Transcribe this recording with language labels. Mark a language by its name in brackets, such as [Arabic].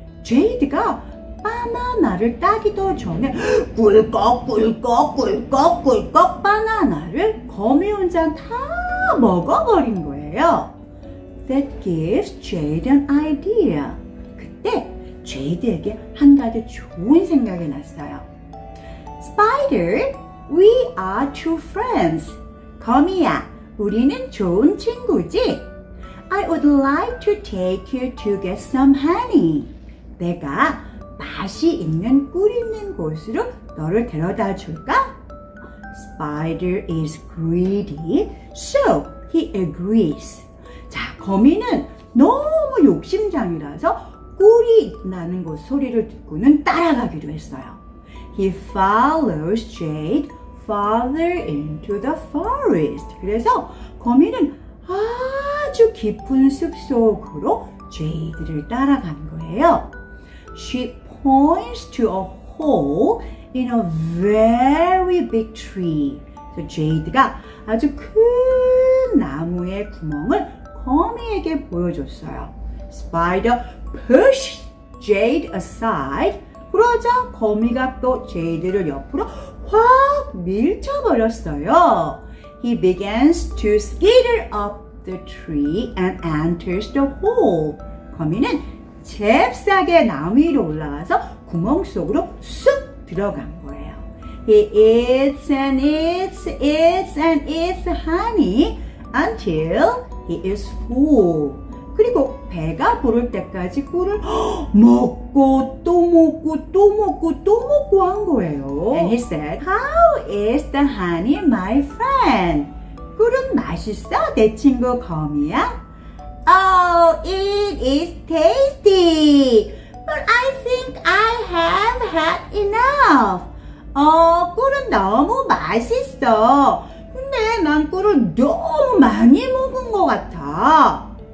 [Korean] 제이드가 바나나를 따기도 전에 꿀꺽꿀꺽꿀꺽꿀꺽 바나나를 거미 혼자 다 먹어버린 거예요. [English] That gives Jade an idea. [Korean] 그때 제이드에게 한 가지 좋은 생각이 났어요. [English] Spider, we are two friends. [Korean] 거미야, 우리는 좋은 친구지? [English] I would like to take you to get some honey. [Korean] 내가 맛이 있는 꿀 있는 곳으로 너를 데려다 줄까? [English] Spider is greedy, so he agrees. [Korean] 자, 거미는 너무 욕심쟁이라서 꿀이 나는 곳 소리를 듣고는 따라가기로 했어요. [English] He follows Jade farther into the forest. [Korean] 그래서 거미는 아주 깊은 숲속으로 제이드를 따라간 거예요. [English] She points to a hole in a very big tree. So [Korean] 제이드가 아주 큰 나무의 구멍을 거미에게 보여줬어요. [English] Spider pushes Jade aside. [Korean] 그러자 거미가 또 제이드를 옆으로 확 밀쳐버렸어요. [English] He begins to skitter up the tree and enters the hole. [Korean] 거미는 잽싸게 나무 위로 올라와서 구멍 속으로 쑥 들어간 거예요. [English] He eats and eats, eats and eats honey until he is full. [Korean] 그리고 배가 부를 때까지 꿀을 먹고 또 먹고 또 먹고 또 먹고 한 거예요. [English] And he said, How is the honey, my friend? [Korean] 꿀은 맛있어, 내 친구 거미야? [English] Oh, it is tasty. But I think I have had enough. [Korean] 꿀은 너무 맛있어. 근데 난 꿀을 너무 많이 먹은 것 같아.